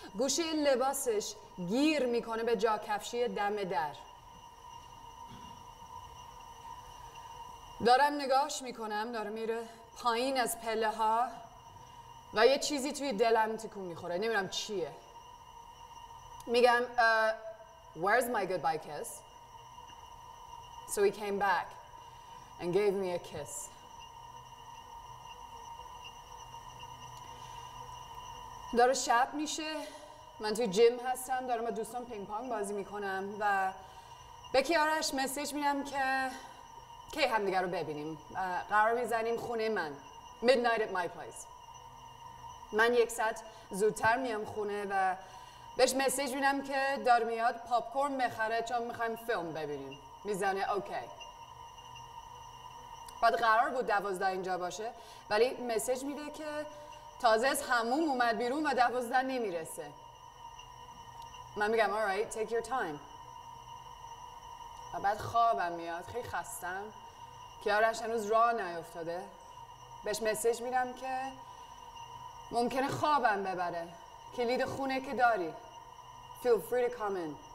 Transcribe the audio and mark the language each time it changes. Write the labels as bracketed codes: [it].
[fa] گوشه لباسش گیر میکنه به جا کفشی دم در. دارم نگاش میکنم، داره میره پایین از پله ها و یه چیزی توی دلم تکون میخوره، نمیدونم چیه. میگم [en] Where's my goodbye kiss? So he came back and gave me a kiss. [fa] داره شب میشه، من توی جیم هستم، دارم با دوستان پینگ پانگ بازی میکنم و به کیارش مسیج میدم که کی همدیگر رو ببینیم. قرار میزنیم خونه من. [en] Midnight at my place. [fa] من یک ساعت زودتر میام خونه و بهش مسیج میدم که دار میاد پاپکورن بخره چون میخوایم فیلم ببینیم. میزنه اوکی. بعد قرار بود 12 اینجا باشه ولی مسیج میده که تازه از حموم اومد بیرون و 12 نمیرسه. من میگم [en] alright, take your time. [fa] و بعد خوابم میاد، خیلی خستم. کیارش هنوز راه نیفتاده. بهش مسیج میدم که ممکنه خوابم ببره. کلید خونه که داری. [en] Feel free to come in.